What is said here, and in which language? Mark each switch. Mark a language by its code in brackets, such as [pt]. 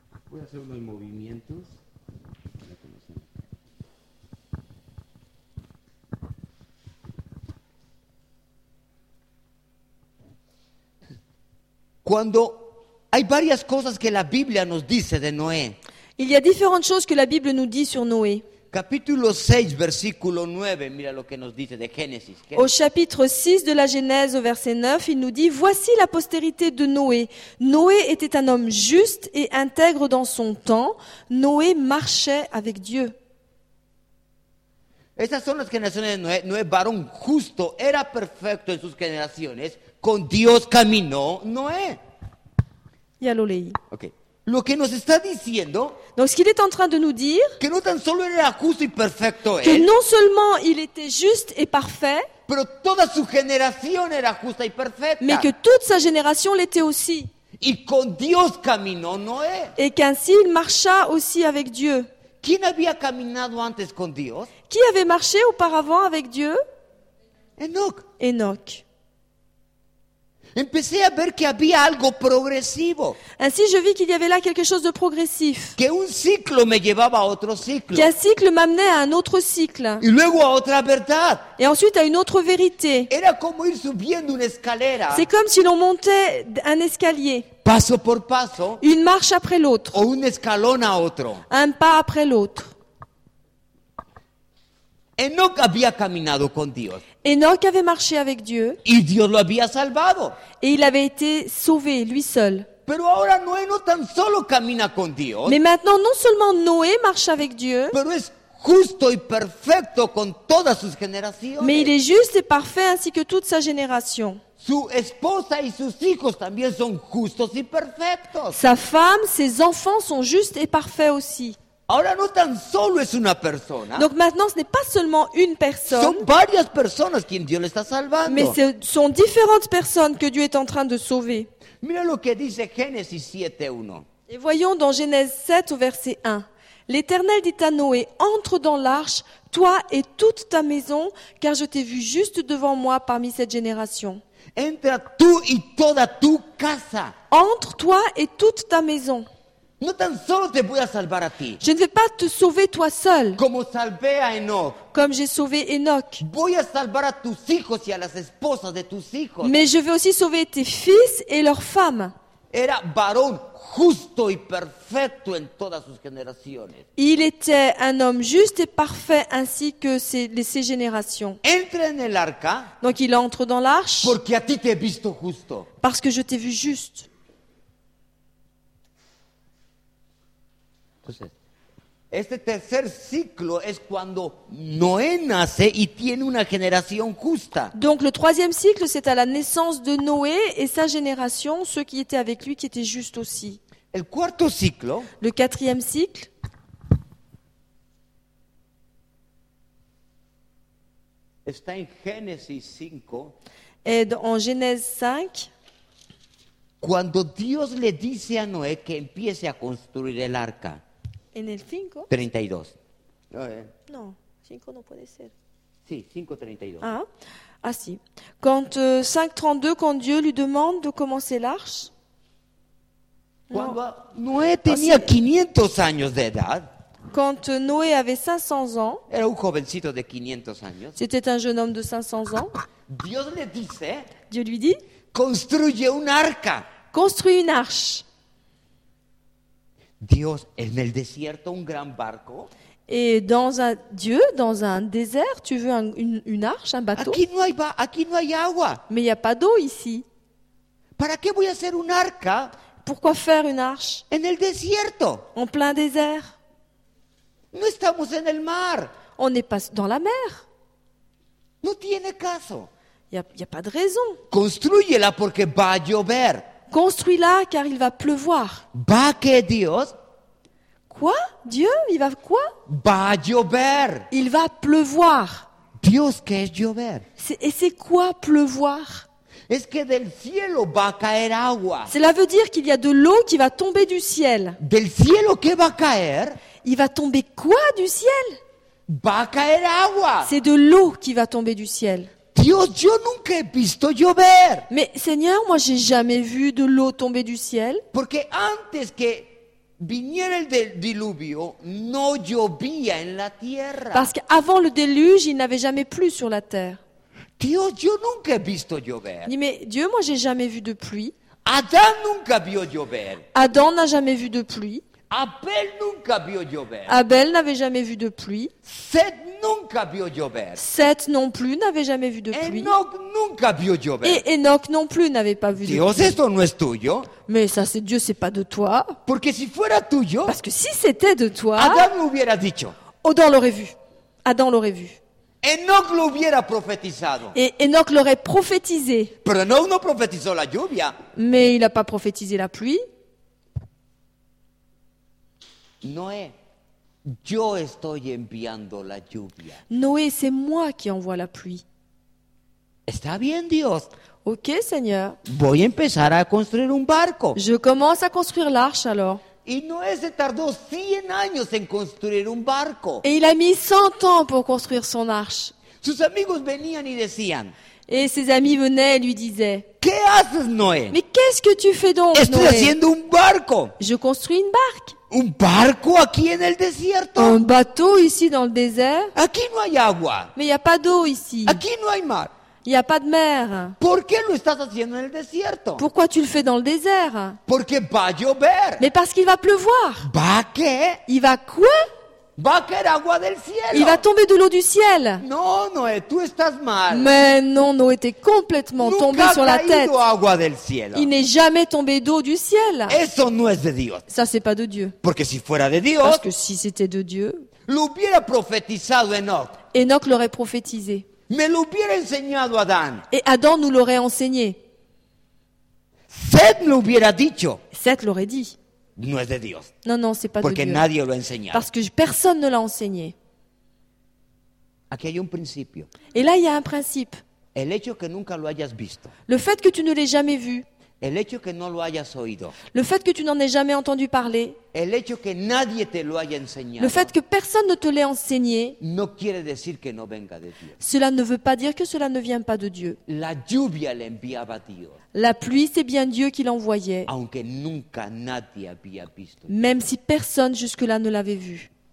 [es] Voy a hacer unos movimientos. Cuando hay varias cosas que la Biblia nos dice de Noé. [fr] Il y a différentes choses que la Bible nous dit sur Noé. [es] Capítulo 6, versículo 9, mira lo que nos dice de Génesis. [fr] Au chapitre 6 de la Genèse, au verset 9, il nous dit « Voici la postérité de Noé. Noé était un homme juste et intègre dans son temps. Noé marchait avec Dieu. » [es] Esas son las generaciones de Noé. Noé, varón justo, era perfecto en sus generaciones. Con Dios caminó Noé. Ya lo leí. Ok. Lo que nos está diciendo, [fr] donc ce qu'il est en train de nous dire, [es] que no tan solo era justo y perfecto [fr] que él, non seulement il était juste et parfait, [es] pero toda su generación era justa y perfecta, [fr] mais que toute sa génération l'était aussi. [es] Y con Dios caminó Noé. [fr] Et qu'ainsi il marcha aussi avec Dieu. [es] ¿Quién había caminado antes con Dios? [fr] Qui avait marché auparavant avec Dieu? [es] Enoch. [fr] Enoch. [es] Empecé a ver que había algo progresivo. [fr] Ainsi, je vis qu'il y avait là quelque chose de progressif. [es] Que un ciclo me llevaba a otro ciclo. [fr] Qu'un cycle m'amenait à un autre cycle. [es] Y luego a otra verdad. [fr] Et ensuite à une autre vérité. [es] Era como ir subiendo una escalera. [fr] C'est comme si l'on montait un escalier. [es] Paso por paso. [fr] Une marche après l'autre. [es] O un escalón a otro. [fr] Un pas après l'autre. [es] Enoch había caminado con Dios. [fr] Enoch avait marché avec Dieu. [es] Y Dios lo había salvado. [fr] Et il avait été sauvé, lui seul. [es] Pero ahora Noé no tan solo camina con Dios. [fr] Mais maintenant, non seulement Noé marche avec Dieu. [es] Pero es justo y perfecto con todas sus generaciones. [fr] Mais il est juste et parfait ainsi que toute sa génération. [es] Su esposa y sus hijos también son justos y perfectos. [fr] Sa femme, ses enfants sont justes et parfaits aussi. [es] Ahora no tan solo es una persona. [fr] Donc maintenant, ce n'est pas seulement une personne. [es] Son varias personas quien Dios le está salvando. [fr] Mais ce sont différentes personnes que Dieu est en train de sauver. [es] Mira lo que dice Génesis 7:1. [fr] Et voyons dans Genèse 7 au verset 1. L'Éternel dit à Noé, entre dans l'arche, toi et toute ta maison, car je t'ai vu juste devant moi parmi cette génération. [es] Entra tú y toda tu casa. [fr] Entre toi et toute ta maison. [es] No tan solo te voy a salvar a ti. [fr] Je ne vais pas te sauver toi seul. [es] Como salvé a Enoch. [fr] Comme j'ai sauvé Enoch. [es] Voy a salvar a tus hijos y a las esposas de tus hijos. [fr] Mais je vais aussi sauver tes fils et leurs femmes. [es] Era varón justo y perfecto en todas sus generaciones. [fr] Il était un homme juste et parfait ainsi que ses générations. [es] Entra en el arca. [fr] Donc il entre dans l'arche. [es] Porque a ti te he visto justo. [fr] Parce que je t'ai vu juste. [es] cosas. Este tercer ciclo es cuando Noé nace y tiene una generación justa. [fr] Donc le troisième cycle c'est à la naissance de Noé et sa génération, ceux qui étaient avec lui qui étaient justes aussi. [es] El cuarto ciclo. [fr] Le quatrième cycle. [es] Está en Génesis 5. [fr] Et en Genèse 5. [es] Cuando Dios le dice a Noé que empiece a construir el arca. En el 5. 32. No, 5 no puede ser. Sí, 5:32. Ah, sí. [fr] Quand 5:32, quand Dieu lui demande de commencer l'arche. [es] Cuando Noé tenía 500 años de edad. [fr] Quand Noé avait 500 ans. [es] Era un jovencito de 500 años. [fr] C'était un jeune homme de 500 ans. [es] Dios le dice. [fr] Dieu lui dit. [es] Construye un arca. Construye una arche. Dios en el desierto un gran barco. [fr] Et dans un Dieu dans un désert, tu veux une arche, un bateau? [es] Aquí no hay agua. [fr] Mais il y a pas d'eau ici. [es] ¿Para qué voy a hacer un arca? [fr] Pourquoi faire une arche? [es] En el desierto. [fr] En plein désert. [es] No estamos en el mar. [fr] On n'est pas dans la mer. [es] No tiene caso. [fr] Il y a pas de raison. [es] Construyela porque va a llover. [fr] Construis-la car il va pleuvoir. [es] Va que Dios. [fr] Quoi? Dieu, il va quoi? [es] Va a llover. [fr] Il va pleuvoir. [es] Dios, ¿qué es llover? [fr] Et c'est quoi pleuvoir? [es] Es que del cielo va a caer agua. [fr] Cela veut dire qu'il y a de l'eau qui va tomber du ciel. [es] Del cielo qué va a caer? [fr] Il va tomber quoi du ciel? [es] Va a caer agua. [fr] C'est de l'eau qui va tomber du ciel. [es] Dios, yo nunca he visto llover. [fr] Mais Seigneur, moi j'ai jamais vu de l'eau tomber du ciel. [es] Porque antes que viniera el diluvio, no llovía en la tierra. [fr] Parce qu'avant le déluge, il n'avait jamais plu sur la terre. [es] Dios, yo nunca he visto llover. [fr] Mais Dieu, moi j'ai jamais vu de pluie. [es] Adán nunca vio llover. [fr] Adam n'a jamais vu de pluie. [es] Abel nunca vio llover. [fr] Abel n'avait jamais vu de pluie. [es] Seth nunca vio llover. [fr] Seth non plus n'avait jamais vu de pluie. [es] Enoch nunca vio llover. [fr] Et Enoch non plus n'avait pas vu [es] Dios, [fr] de pluie. [es] Dios, esto no es tuyo. [fr] Mais ça, c'est Dieu, c'est pas de toi. [es] Porque si fuera tuyo. [fr] Parce que si c'était de toi. [es] Adam lo hubiera dicho. [fr] Adam l'aurait vu. Adam l'aurait vu. [es] Enoch lo hubiera profetizado. [fr] Et Enoch l'aurait prophétisé. [es] Pero Enoch no profetizó la lluvia. [fr] Mais il a pas prophétisé la pluie. [es] Noé, yo estoy enviando la lluvia. [fr] Noé, c'est moi qui envoie la pluie. [es] Está bien, Dios. [fr] Ok, Seigneur. [es] Voy a empezar a construir un barco. [fr] Je commence à construire l'arche alors. [es] Y Noé se tardó 100 años en construir un barco. [fr] Et il a mis 100 ans pour construire son arche. [es] Sus amigos venían y decían. [fr] Et ses amis venaient et lui disaient. [es] ¿Qué haces, Noé? [fr] Mais qu'est-ce que tu fais donc, [es] Estoy [fr] Noé? [es] Estoy haciendo un barco. [fr] Je construis une barque. [es] Un barco aquí en el desierto. [fr] Un bateau ici dans le désert. [es] Aquí no hay agua. [fr] Mais il y a pas d'eau ici. [es] Aquí no hay mar. [fr] Il y a pas de mer. [es] ¿Por qué lo estás haciendo en el desierto? [fr] Pourquoi tu le fais dans le désert? [es] Porque va a llover. [fr] Mais parce qu'il va pleuvoir. [es] ¿Va qué? [fr] Il va quoi? [es] Va a caer agua del cielo. [fr] Il va tomber de l'eau du ciel. [es] Non, Noé, tu estás mal. [fr] Mais non, Noé était complètement [es] Nunca [fr] tombé sur la tête. [es] Agua del cielo. [fr] Il n'est jamais tombé d'eau du ciel. [es] Eso no es de Dios. [fr] Ça, c'est pas de Dieu. [es] Porque si fuera de Dios, [fr] parce que si c'était de Dieu, [es] lo hubiera profetizado Enoch. [fr] Enoch l'aurait prophétisé. [es] Me lo hubiera enseñado Adán. [fr] Et Adam nous l'aurait enseigné. [es] Seth lo hubiera dicho. [fr] Seth l'aurait dit. [es] No es de Dios. [fr] Non, non, c'est pas [es] Porque [fr] de Dieu. [es] Nadie lo ha enseñado. [fr] Parce que personne ne l'a enseigné. [es] Aquí hay un principio. [fr] Et là, il y a un principe. [es] El hecho que nunca lo hayas visto. [fr] Le fait que tu ne l'aies jamais vu. [es] El hecho que no lo hayas oído. [fr] Le fait que tu n'en aies jamais entendu parler. [es] El hecho que nadie te lo haya enseñado. [fr] Le fait que personne ne te l'ait enseigné. [es] No quiere decir que no venga de Dios. [fr] Cela ne veut pas dire que cela ne vient pas de Dieu. [es] La lluvia le enviaba Dios. [fr] La pluie, c'est bien Dieu qui l'envoyait. [es] Aunque nunca nadie había visto. [fr] Même si personne jusque-là ne l'avait vu.